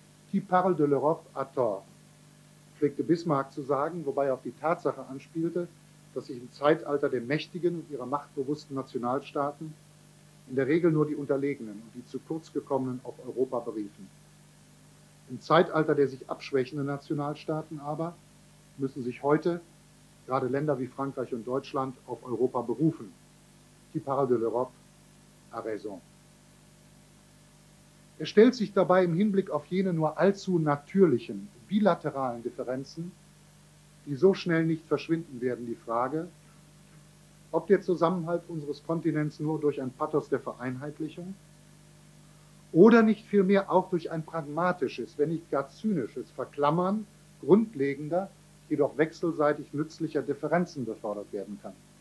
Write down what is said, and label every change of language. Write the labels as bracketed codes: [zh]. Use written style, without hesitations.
[fr] Qui parle de l'Europe a tort, [de] pflegte Bismarck zu sagen, wobei er auf die Tatsache anspielte, dass sich im Zeitalter der mächtigen und ihrer machtbewussten Nationalstaaten in der Regel nur die Unterlegenen und die zu kurz gekommenen auf Europa beriefen. Im Zeitalter der sich abschwächenden Nationalstaaten aber müssen sich heute gerade Länder wie Frankreich und Deutschland auf Europa berufen. [fr] Qui parle de l'Europe a raison. [de] Es stellt sich dabei im Hinblick auf jene nur allzu natürlichen bilateralen Differenzen, die so schnell nicht verschwinden werden, die Frage, ob der Zusammenhalt unseres Kontinents nur durch ein Pathos der Vereinheitlichung oder nicht vielmehr auch durch ein pragmatisches, wenn nicht gar zynisches Verklammern grundlegender, jedoch wechselseitig nützlicher Differenzen befördert werden kann.